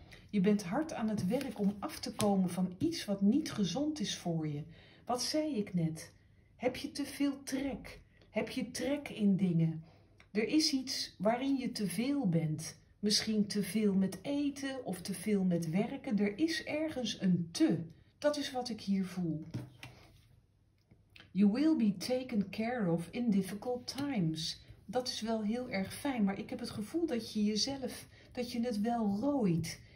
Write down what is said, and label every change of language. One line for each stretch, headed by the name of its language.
Dutch: Je bent hard aan het werk om af te komen van iets wat niet gezond is voor je. Wat zei ik net? Heb je te veel trek? Heb je trek in dingen? Er is iets waarin je te veel bent. Misschien te veel met eten of te veel met werken. Er is ergens een te. Dat is wat ik hier voel.
English: You will be taken care of in difficult times.
Dutch: Dat is wel heel erg fijn, maar ik heb het gevoel dat je jezelf, dat je het wel rooit.